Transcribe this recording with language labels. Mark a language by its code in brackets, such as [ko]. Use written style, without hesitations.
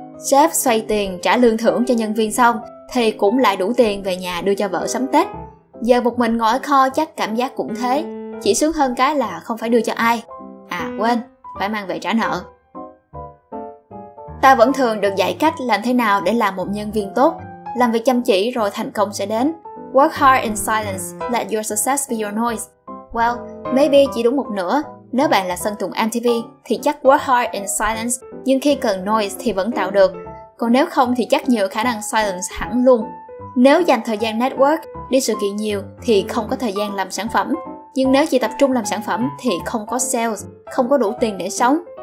[vi] Sếp xoay tiền trả lương thưởng cho nhân viên xong thì cũng lại đủ tiền về nhà đưa cho vợ sắm Tết. Giờ một mình ngồi ở kho chắc cảm giác cũng thế. Chỉ sướng hơn cái là không phải đưa cho ai. À quên, phải mang về trả nợ. Ta vẫn thường được dạy cách làm thế nào để làm một nhân viên tốt. Làm việc chăm chỉ rồi thành công sẽ đến. [en] Work hard in silence, let your success be your noise. Well, maybe [vi] chỉ đúng một nửa. Nếu bạn là Sơn Tùng MTV thì chắc [en] work hard in silence, [vi] nhưng khi cần noise thì vẫn tạo được. Còn nếu không thì chắc nhiều khả năng silence hẳn luôn. Nếu dành thời gian network, đi sự kiện nhiều thì không có thời gian làm sản phẩm. Nhưng nếu chỉ tập trung làm sản phẩm thì không có sales, không có đủ tiền để sống.